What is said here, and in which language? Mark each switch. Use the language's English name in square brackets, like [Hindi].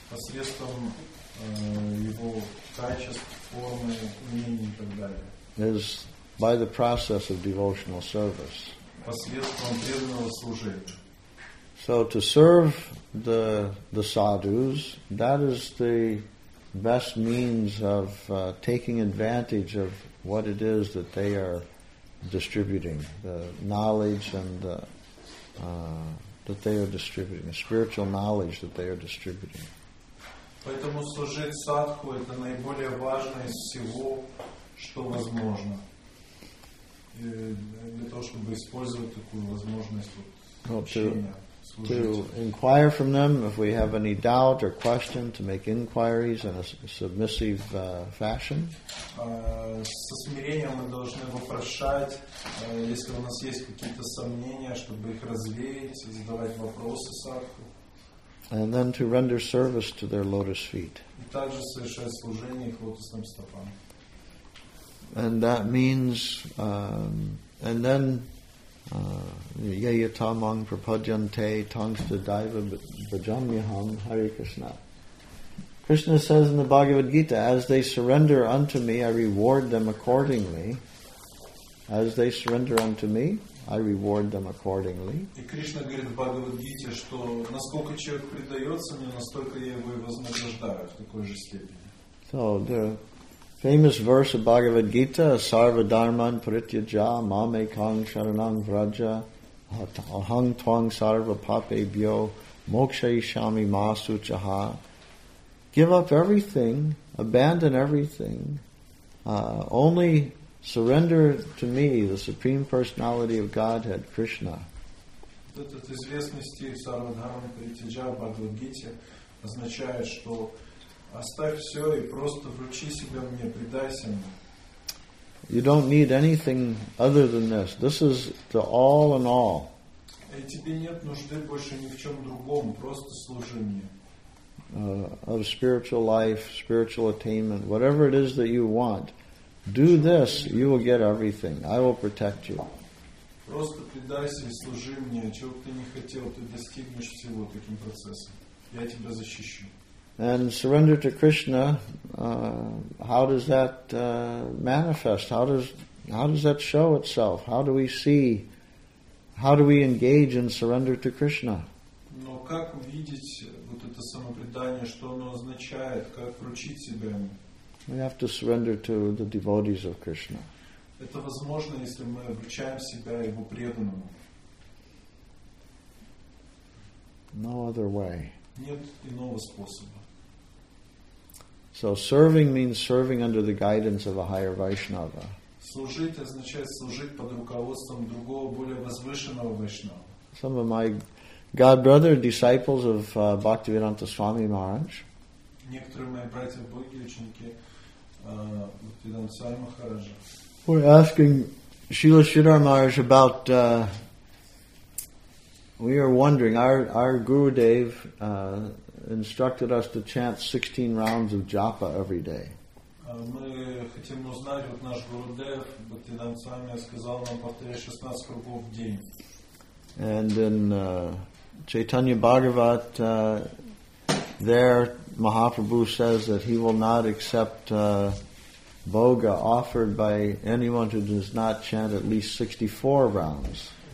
[Russian] Посредством его качеств, формы, умений и так далее. [English] Is by the process of devotional service. [Russian] Посредством преданного служения. [English] So to serve the sadhus, that is the best means of taking advantage of what it is that they are distributing, the knowledge and that they are distributing, the spiritual knowledge that they are distributing. [Russian] Поэтому служить садху – это наиболее важное из всего, что возможно. Для того, чтобы использовать такую возможность общения, [English] To inquire from them, if we have any doubt or question, to make inquiries in a submissive fashion. [Russian] Со смирением мы должны вопрошать, если у нас есть какие-то сомнения, чтобы их развеять, задавать вопросы садху. [English] And then to render service to their lotus feet. [Russian] И также совершать служение их лотосным стопам. [English] And that means, and then [Sanskrit] yayatamang prapadyante tangsta daiva bhajamyaham [English] Hare Krishna. Krishna says in the Bhagavad Gita, as they surrender unto me, I reward them accordingly. As they surrender unto me, I reward them accordingly. [Russian] И Кришна говорит в Бхагавад Гите, что насколько человек предается мне, настолько я его и вознаграждаю в такой же степени. [English] So the famous verse of Bhagavad Gita, [Sanskrit] Sarva Dharman Parityaja, Mame Kang Sharanam Vraja, Ahang Tvang Sarva Pape Bhyo, Moksha Ishami Masu Chaha. [English] Give up everything, abandon everything, only surrender to me, the Supreme Personality of Godhead, Krishna. [Russian] Этот известный стих Сарва Дхарма Паритиджа в Бхагавад Гите означает, что оставь все и просто вручи себя мне, предайся мне. [English] You don't need anything other than this. This is the all in all. [Russian] Тебе нет нужды больше ни в чем другом, просто служение. [English] Of spiritual life, spiritual attainment, whatever it is that you want, do this, you will get everything. I will protect you. [Russian] Просто предайся и служи мне. Чего бы ты ни хотел, ты достигнешь всего таким процессом. Я тебя защищу. [English] And surrender to Krishna, how does that manifest? How does that show itself? How do we see? How do we engage in surrender to Krishna? [Russian] Но как увидеть вот это самопредание, что оно означает, как вручить себя? [English] We have to surrender to the devotees of Krishna. [Russian] Это возможно, если мы вручаем себя его преданному. [English] No other way. [Russian] Нет иного способа. [English] So serving means serving under the guidance of a higher Vaishnava. [Russian] Служить означает служить под руководством другого, более возвышенного Вайшнава. [English] Some of my god brother disciples of Bhaktivedanta Swami Maharaj. [Russian] Некоторые мои братья боги ученики Бхактивиданта Свами Махараджа. [English] We're asking Srila Sridhar Maharaj about. We are wondering. Our Guru Dev instructed us to chant 16 rounds of japa every day. [Russian] Мы хотим узнать, вот наш Гуру Дев Бхактивиданта Свами сказал нам повторять 16 кругов в день. [English] And in Chaitanya Bhagavat, there Mahaprabhu says that he will not accept boga offered by anyone who does not chant at least 64 rounds.